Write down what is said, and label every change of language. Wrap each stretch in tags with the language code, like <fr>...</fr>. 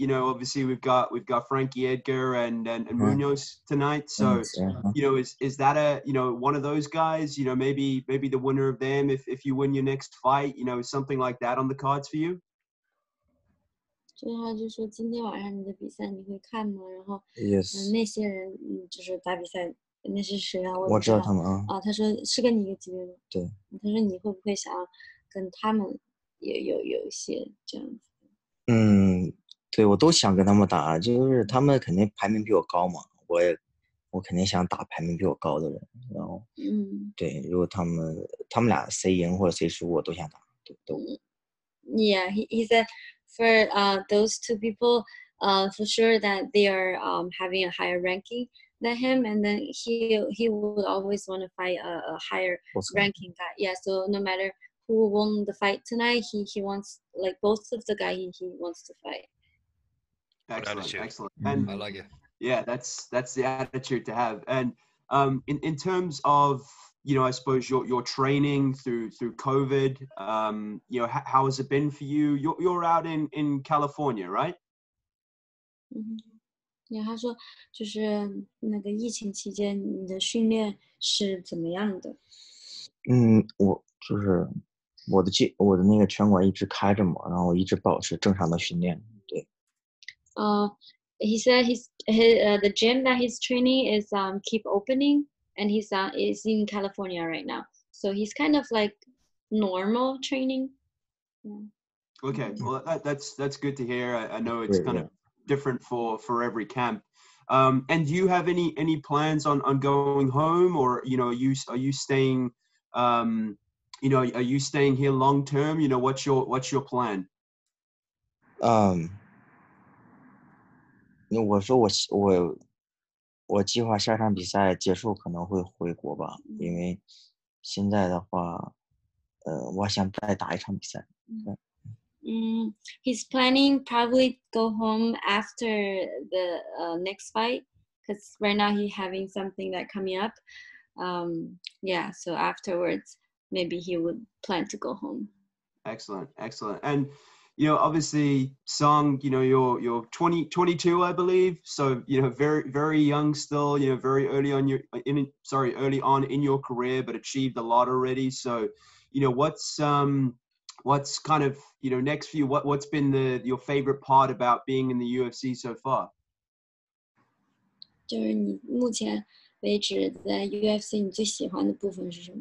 <en>Obviously we've got Frankie Edgar and Munoz tonight. So, is that one of those guys? Maybe the winner of them, if you win your next fight, is something like that on the cards for you?</en> <zh>就是他就说今天晚上你的比赛你会看吗？然后</zh> <en>，yes，</en> <zh>那些人就是打比赛，那是谁啊？我知道他们啊。他说是跟你一个级别的。对。他说你会不会想要跟他们也有一些这样子？对，我都想跟他们打，就是他们肯定排名比我高嘛，我肯定想打排名比我高的人，然后，对，如果他们俩谁赢或者谁输，我都想打，都。</zh> <en>Yeah, he said. For those two people, for sure that they are having a higher ranking than him, and then he would always want to fight a higher ranking guy. Yeah, so no matter who won the fight tonight, he wants both of the guys he wants to fight. Excellent. I like it. Yeah, that's the attitude to have. And in terms of I suppose your training through COVID, how has it been for you? You're out in California, right? Mm-hmm. Yeah, he said,</en> <zh>就是那个疫情期间你的训练是怎么样的？我就是我的那个拳馆一直开着嘛，然后我一直保持正常的训练，对。</zh> <en>He said the gym that he's training is keep opening. And he's is in California right now. So he's kind of normal training. Okay, well, that's good to hear. I know it's kind of different for every camp. And do you have any plans on going home, or you know, are you staying? You know, are you staying here long term? You know, what's your plan?</en> <zh>我说我计划下场比赛结束可能会回国吧，因为现在的话，我想再打一场比赛。</zh> <en>He's planning probably go home after the next fight, because right now he having something that coming up. Yeah, so afterwards, maybe he would plan to go home. Excellent, excellent. And, you know, obviously, Song, you know, you're 22, I believe. So, you know, very, very young still, you know, very early on in your career, but achieved a lot already. So, you know, what's kind of, you know, next for you, what's been your favorite part about being in the UFC so far?</en> <zh>就是你目前为止在 UFC 你最喜欢的部分是什么？</zh>